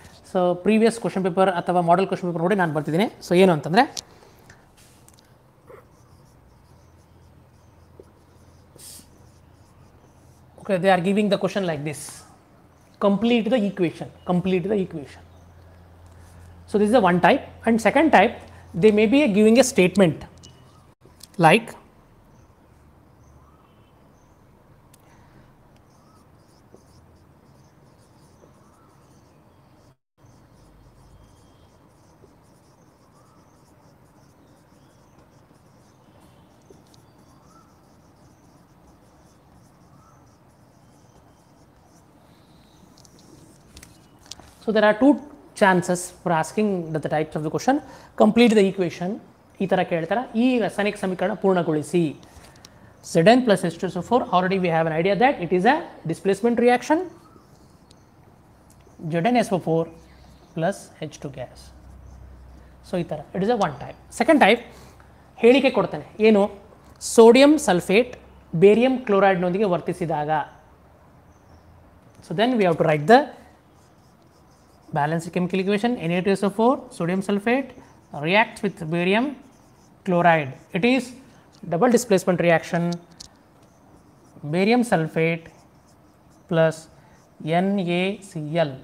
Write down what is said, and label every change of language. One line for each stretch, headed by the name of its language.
English: so previous question paper ಅಥವಾ model question paper
Kannada: ನೋಡಿ ನಾನು ಬರ್ತಿದ್ದೀನಿ.
English: so
Kannada: ಏನು ಅಂತಂದರೆ,
English: Okay, they are giving the question like this, complete the equation, complete the equation. So this is the one type. And second type, they may be giving a statement like So there are two chances for asking the types of the question. Complete the equation.
Kannada: ಈ ಥರ ಕೇಳ್ತಾರೆ, ಈ ರಾಸಾಯನಿಕ ಸಮೀಕರಣ ಪೂರ್ಣಗೊಳಿಸಿ.
English: ZN plus H2SO4, already we have an idea that it is a displacement reaction. ZnSO4 plus H2 gas.
Kannada: So ಈ ಥರ,
English: It is a one type.
Kannada: Second type ಹೇಳಿಕೆ ಕೊಡ್ತೇನೆ, ಏನು, sodium sulphate barium ಕ್ಲೋರೈಡ್ನೊಂದಿಗೆ ವರ್ತಿಸಿದಾಗ.
English: So then we have to write the balanced chemical equation, Na2SO4, sodium sulfate, reacts with barium chloride. It is double displacement reaction, barium sulfate plus NaCl.